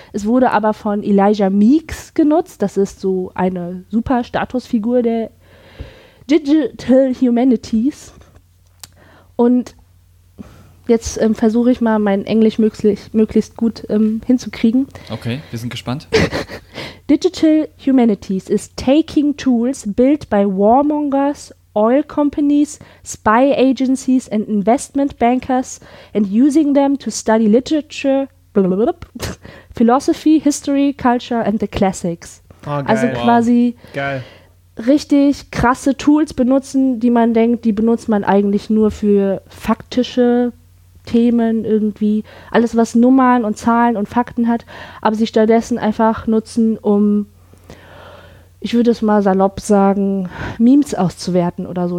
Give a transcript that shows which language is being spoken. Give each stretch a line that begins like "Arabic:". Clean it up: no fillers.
German: Es wurde aber von Elijah Meeks genutzt. Das ist so eine super Statusfigur der Digital Humanities. Und jetzt versuche ich mal, mein Englisch möglichst gut hinzukriegen. Okay, wir sind gespannt.
English: Digital Humanities is taking tools built by warmongers, oil companies, spy agencies and investment bankers and using them to study literature, philosophy, history, culture and the classics.
German: Oh, geil. Also quasi geil. Richtig krasse Tools benutzen, die man denkt, die benutzt man eigentlich nur für faktische Themen irgendwie. Alles, was Nummern und Zahlen und Fakten hat, aber sie stattdessen einfach nutzen, um, ich würde es mal salopp sagen, Memes auszuwerten oder so.